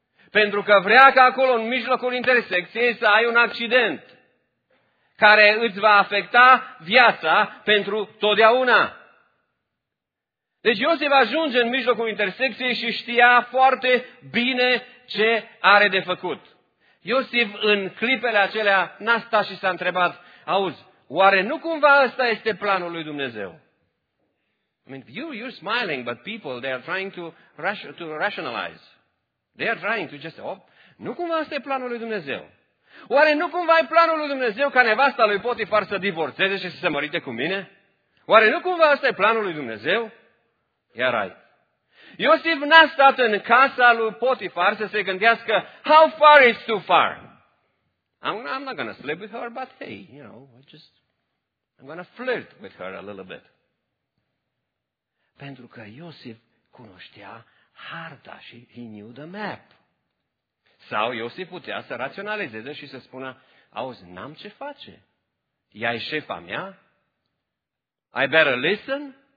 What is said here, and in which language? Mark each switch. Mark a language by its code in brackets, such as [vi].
[ro] Pentru că vrea ca acolo, în mijlocul intersecției, să ai un accident care îți va afecta viața pentru totdeauna. Deci Iosif ajunge în mijlocul intersecției și știa foarte bine ce are de făcut. Iosif, în clipele acelea, n-a stat și s-a întrebat, auzi, oare nu cumva ăsta este planul lui Dumnezeu? [en] I mean, you're smiling, but people, they are trying to rationalize. They are trying to just, oh, [ro] nu cumva ăsta e planul lui Dumnezeu? Oare nu cumva e planul lui Dumnezeu ca nevasta lui Potifar să divorțeze și să se mărite cu mine? Oare nu cumva ăsta e planul lui Dumnezeu? [en] Yeah, right. [ro] Iosif n-a stat în casa lui Potifar să se gândească, [en] how far is too far? I'm not going to sleep with her, but hey, you know, I'm going to flirt with her a little bit. [ro] Pentru că Iosif cunoștea harta și [en] he knew the map. [ro] Sau Iosif putea să raționalizeze și să spună, auzi, n-am ce face. Ea e șefa mea. [en] I better listen.